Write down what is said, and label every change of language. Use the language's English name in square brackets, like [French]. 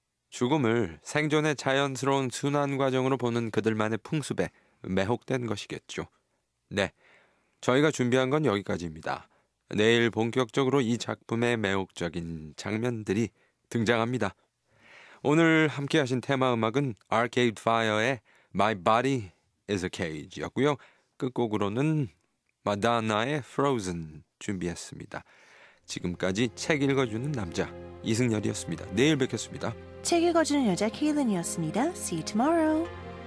[Korean] 죽음을 생존의 자연스러운 순환 과정으로 보는 그들만의 풍습에 매혹된 것이겠죠. 네, 저희가 준비한 건 여기까지입니다. 내일 본격적으로 이 작품의 매혹적인 장면들이 등장합니다. 오늘 함께하신 테마 음악은 Arcade Fire의 My Body is a Cage였고요. 끝곡으로는 마다나의 Frozen 준비했습니다. 지금까지 책 읽어주는 남자 이승열이었습니다. 내일 뵙겠습니다. 책 읽어주는 여자 케일린이었습니다. [English] See you tomorrow.